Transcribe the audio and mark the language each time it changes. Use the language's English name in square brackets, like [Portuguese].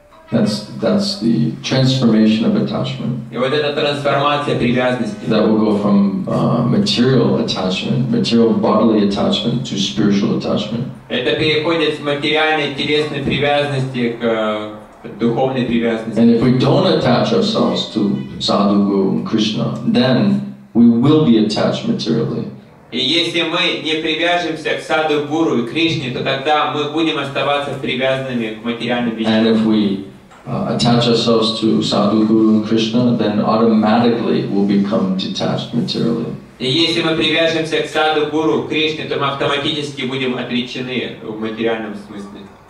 [English] That's the transformation of attachment. [Russian] И вот эта трансформация привязанности. [English] That will go from material attachment, material bodily attachment, to spiritual attachment. [Russian] Это переходит с материальной телесной привязанности к духовной привязанности. [English] And if we don't attach ourselves to Sadhu Guru and Krishna, then we will be attached materially. [Russian] И если мы не привяжемся к Sadhu Guru и Кришне, то тогда мы будем оставаться привязанными к материальным вещам. [English] And if we attach ourselves to Sadhu Guru and Krishna, then automatically we'll become detached materially. [Russian] И если мы привяжемся к Саду Гуру, к Кришне, то мы автоматически будем отречены в материальном смысле.